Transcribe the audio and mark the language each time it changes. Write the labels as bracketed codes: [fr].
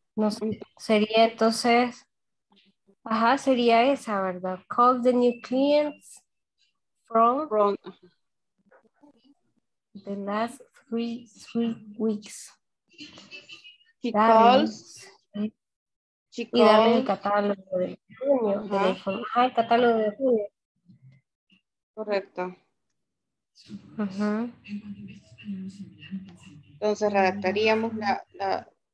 [es] no sé, sería entonces, ajá, sería esa, ¿verdad? [en] Call the new clients from the last three weeks. She calls. [es] Y darle el catálogo de junio, ajá, el catálogo de junio. Correcto. Uh-huh. Entonces redactaríamos la